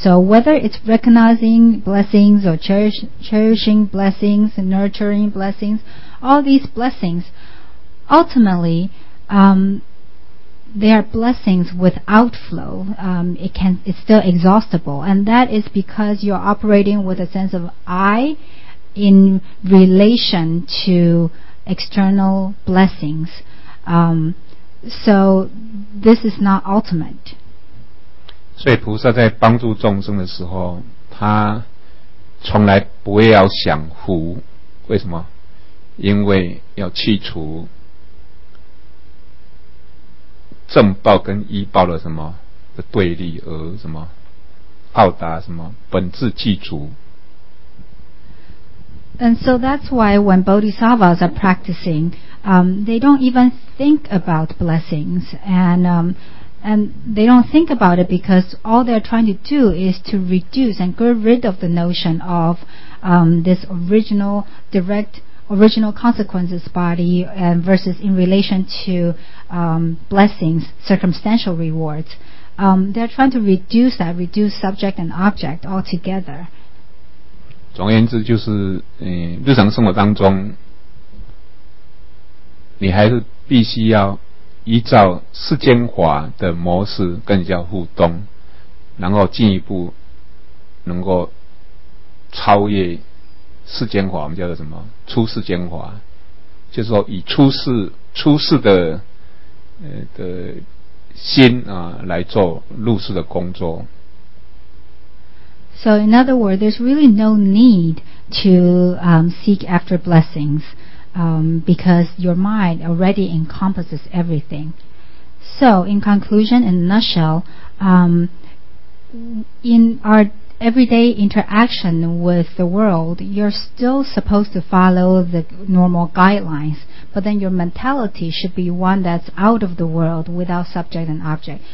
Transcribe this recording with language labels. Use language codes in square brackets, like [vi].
[en] So whether it's recognizing blessings or cherishing blessings and nurturing blessings, all these blessings, ultimately, they are blessings with outflow. It's still exhaustible. And that is because you're operating with a sense of I in relation to external blessings. So this is not ultimate. [zh] 所以菩萨在帮助众生的时候，他从来不会要想福，为什么？因为要去除正报跟依报的什么的对立，而什么到达什么本质具足。 [en] And so that's why when bodhisattvas are practicing, they don't even think about blessings, and they don't think about it because all they're trying to do is to reduce and get rid of the notion of this original direct original consequences body and versus in relation to blessings, circumstantial rewards. They're trying to reduce that, reduce subject and object altogether. [zh] 总而言之就是日常生活当中你还是必须要依照世间法的模式跟人家互动，然后进一步能够超越世间法，我们叫做什么出世间法，就是说以出世的的心啊来做入世的工作。 [en] So in other words, there's really no need to seek after blessings because your mind already encompasses everything. So in conclusion, in a nutshell, in our everyday interaction with the world, you're still supposed to follow the normal guidelines, but then your mentality should be one that's out of the world without subject and object.